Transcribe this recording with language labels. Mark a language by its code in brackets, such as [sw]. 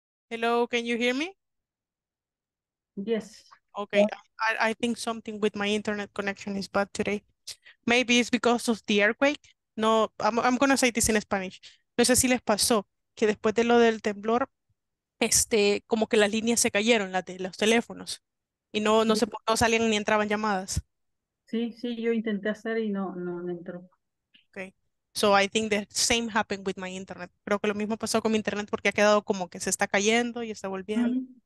[en] Hello, can you hear me? Yes. Okay, yeah. I think something with my internet connection is bad today. Maybe it's because of the earthquake. No, I'm going to say this in Spanish. [es] No sé si les pasó que después de lo del temblor, como que las líneas se cayeron, las de los teléfonos, y no salían ni entraban llamadas. Sí, yo intenté hacer y no entró. [en] Okay. So I think the same happened with my internet. [es] Creo que lo mismo pasó con mi internet porque ha quedado como que se está cayendo y está volviendo.